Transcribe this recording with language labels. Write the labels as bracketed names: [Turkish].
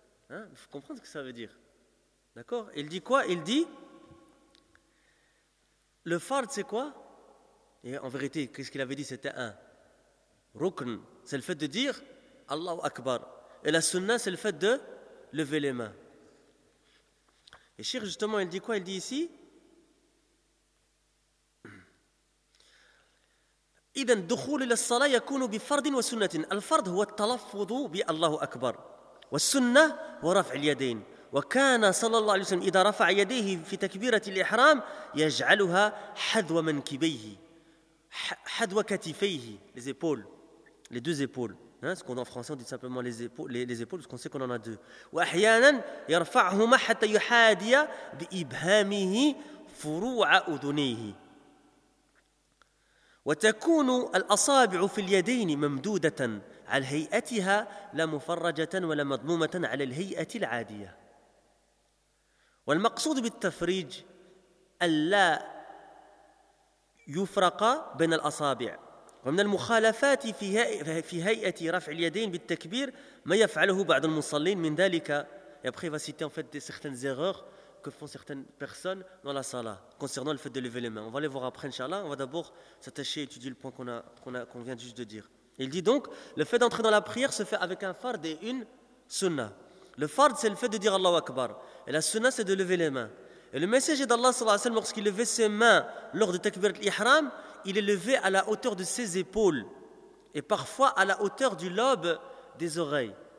[French] Il faut comprendre ce que ça veut dire. D'accord? Il dit quoi? Il dit... Le fard, c'est quoi? Et en vérité, qu'est-ce qu'il avait dit? C'était un rukn. c'est le fait de dire Allahu Akbar. Et la sunna, c'est le fait de lever les mains. Et Cheikh, justement, il dit quoi? Il dit ici, [Arabic] إذن دخول إلى الصلاة يكون بفرض وسنة. الفرض هو التلفظ بالله أكبر والسنة ورفع اليدين. وكان صلى الله عليه وسلم إذا رفع يديه في تكبيرة الإحرام يجعلها حذو منكبيه حذو كتفيه [French] les épaules, les deux épaules, hein, ce qu'on en français on dit simplement les épaules parce qu'on sait qu'on en a deux. [Arabic] وأحيانا يرفعهما حتى يحادي بإبهامه فروع أذنيه وتكون الأصابع في اليدين ممدودة على هيئتها لا مفرجة ولا مضمومة على الهيئة العادية والمقصود بالتفريج ألا يفرق بين الأصابع ومن المخالفات في هيئة رفع اليدين بالتكبير ما يفعله بعض المصلين من ذلك يبقي فاسيتي [French] certaines erreurs que font certaines personnes dans la salah concernant le fait de lever les mains. On va les voir après, Inch'Allah. On va d'abord s'attacher et étudier le point qu'on vient juste de dire. Il dit donc, le fait d'entrer dans la prière se fait avec un fard et une sunnah. Le fard, c'est le fait de dire Allahu Akbar. Et la sunnah, c'est de lever les mains. Et le messager d'Allah, sallallahu alayhi wa sallam, lorsqu'il levait ses mains lors de takbir al-ihram, il est levé à la hauteur de ses épaules et parfois à la hauteur du lobe des oreilles.